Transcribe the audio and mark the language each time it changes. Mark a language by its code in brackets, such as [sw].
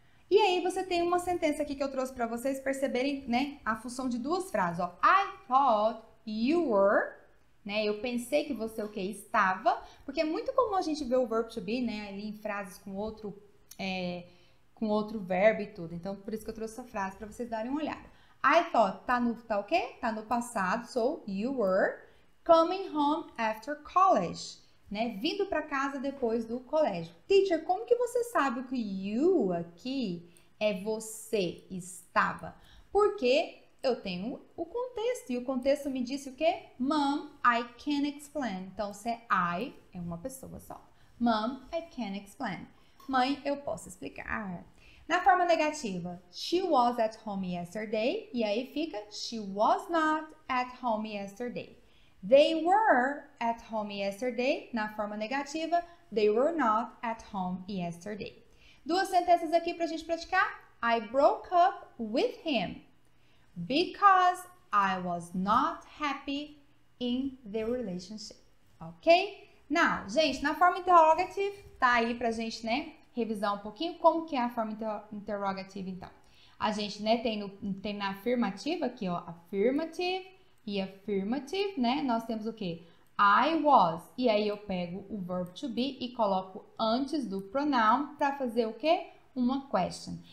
[pt] E aí você tem uma sentença aqui que eu trouxe para vocês perceberem, né, a função de duas frases. Ó. [en] I thought you were, [pt] né? Eu pensei que você o quê? Estava, porque é muito comum a gente ver o verbo to be, né, ali em frases com outro verbo e tudo. Então, por isso que eu trouxe essa frase para vocês darem uma olhada. I thought tá no tá o quê? Tá no passado. [en] So you were coming home after college, né? [pt] Vindo para casa depois do colégio. Teacher, como que você sabe que you aqui é você estava? Porque eu tenho o contexto e o contexto me disse o quê? [en] Mom, I can explain. [pt] Então, se é I, é uma pessoa só. [en] Mom, I can explain. [pt] Mãe, eu posso explicar. Na forma negativa, [en] she was at home yesterday. [pt] E aí fica, [en] she was not at home yesterday. They were at home yesterday, [pt] na forma negativa. [en] They were not at home yesterday. [pt] Duas sentenças aqui para a gente praticar. [en] I broke up with him because I was not happy in the relationship. Ok? [pt] Now, gente, na forma interrogative, tá aí pra gente, né, revisar um pouquinho como que é a forma interrogative, então. A gente, né, tem na afirmativa aqui, ó, affirmative e affirmative, né, nós temos o quê? I was, e aí eu pego o verb to be e coloco antes do pronoun pra fazer o quê? Uma question.